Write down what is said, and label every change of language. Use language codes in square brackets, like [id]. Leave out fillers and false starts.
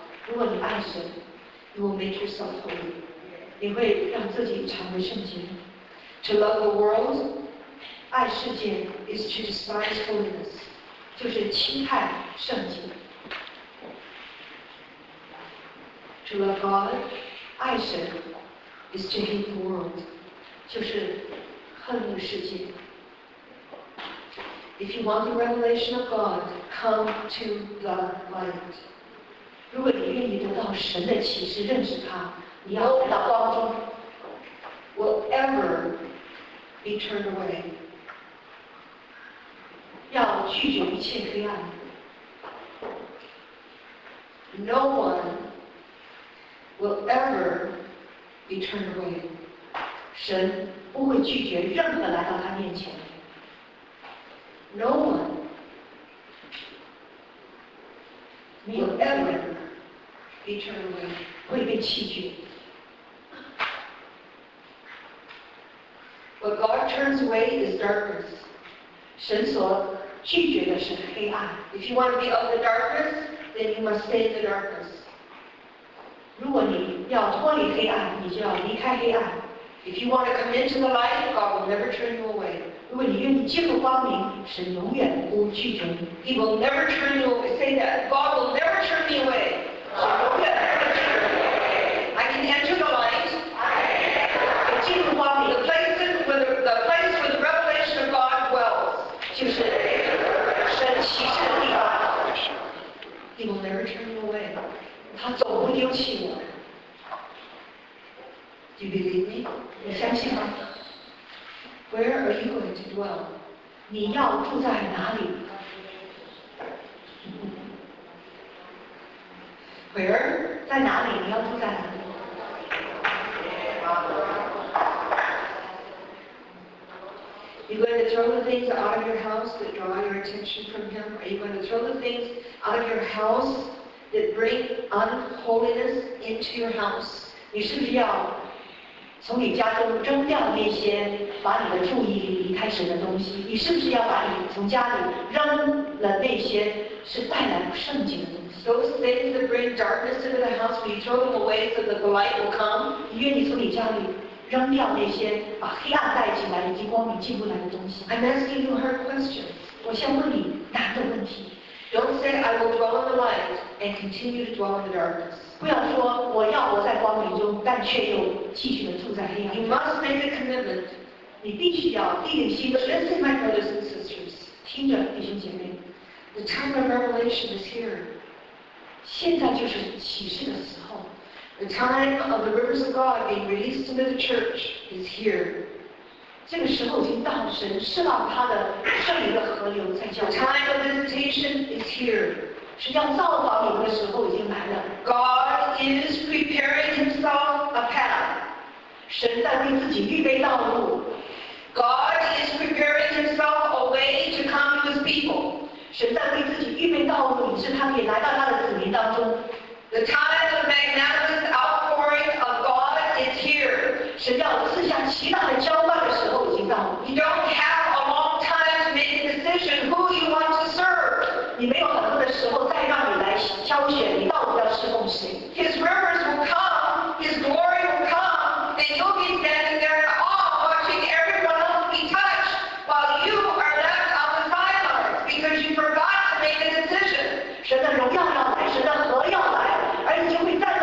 [zh] 如果你爱神 [en] you will make yourself holy. [zh] 你会让自己成为圣洁。 [en] To love the world, [zh] 爱世界 [en] is to despise holiness, [zh] 就是轻看圣洁。 [en] To love God, [zh] 爱神 [en] is to hate the world, [zh] 就是恨恶世界。 [en] If you want the revelation of God, come to the light. [zh] 如果你愿意得到神的启示，认识他，你要回到光中。 [en] Will ever be turned away. [zh] 要拒绝一切黑暗。 [en] No one will ever be turned away. [zh] 神不会拒绝任何来到他面前。 [en] No one will ever be turned away. [zh] 会被弃绝。 [en] What God turns away is darkness. [zh] 神所拒绝的是黑暗。 [en] If you want to be of the darkness, then you must stay in the darkness. [zh] 如果你要脱离黑暗，你就要离开黑暗。 [en] If you want to come into the light, God will never turn you away. [zh] 如果你愿意进入光明，神永远不拒绝你。 [en] He will never turn you away. Say that. God will never turn me away. I can enter the light. [zh] 我进入光明。 [en] The place where the revelation of God dwells. [zh] 就是神启示的地方。 [en] He will never turn you away. [zh] 他总不丢弃我。 [en] Do you believe me? [zh] 你相信吗？ [en] Where are you going to dwell? [zh] 你要住在哪里？ [en] Where? [zh] 在哪里？你要住在哪里？ [en] You going to throw the things out of your house that draw your attention from him? Are you going to throw the things out of your house that bring unholiness into your house? [zh] 你是不是要从你家中扔掉那些把你的注意力离开神的东西，你是不是要把你从家里扔了那些是带来不圣洁的东西 [en] ？Those things that bring darkness into the house, will you throw them away so that the light will come? [zh] 你愿意从你家里扔掉那些把黑暗带进来以及光明进不来的东西 [en] ？I'm asking you hard questions. [zh] 我先问你难的问题。 [en] Don't say I will dwell in the light and continue to dwell in the darkness. [zh] 不要说我要活在光明中，但却又继续的住在黑暗。 [en] You must make a commitment. [zh] 你必须要立定心。 [en] Listen, my brothers and sisters. [zh] 听着，弟兄姐妹。 [en] The time of revelation is here. [zh] 现在就是启示的时候。 [en] The time of the rivers of God being released into the church is here. [zh] 这个时候已经到，神释放他的圣灵的河流在教会。 [en] The time of visitation is here. [zh] 是要造访你们的时候已经来了。 [en] God is preparing himself a path. [zh] 神在为自己预备道路。 [en] God is preparing himself a way to come to his people. [zh] 神在为自己预备道路，以致他可以来到他的子民当中。 [en] The time of magnanimous outpouring of God is here. [zh] 神要赐下极大的浇灌的时候已经到了。 [en] You don't have a long time to make a decision who you want to serve. [zh] 你没有很多的时候再让你来挑选你到底要侍奉谁。 [en] His rivers will come, his glory will come, and you'll be standing there in awe watching everyone else be touched while you are left on the sidelines because you forgot to make a decision. [zh] 神的荣耀要来，神的荣耀要来。